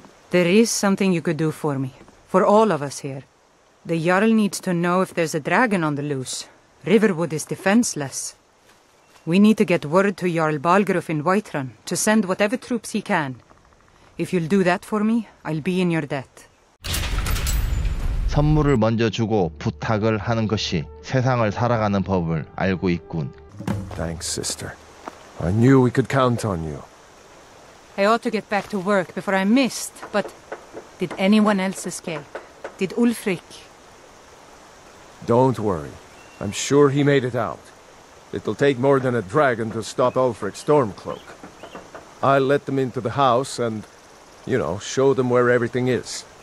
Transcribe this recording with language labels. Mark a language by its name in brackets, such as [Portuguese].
[English] There is something you could do for me. For all of us here. The Jarl needs to know if there's a dragon on the loose. Riverwood is defenseless. We need to get word to Jarl Balgruuf in Whiterun to send whatever troops he can. If you'll do that for me, I'll be in your debt. [Korean] 선물을 먼저 주고 부탁을 하는 것이 세상을 살아가는 법을 알고 있군. [English] Thanks, sister. I knew we could count on you. I ought to get back to work before I'm missed, but did anyone else escape? Did Ulfric? Don't worry. I'm sure he made it out. It'll take more than a dragon to stop Ulfric's Stormcloak. I'll let them into the house and, you know, show them where everything is.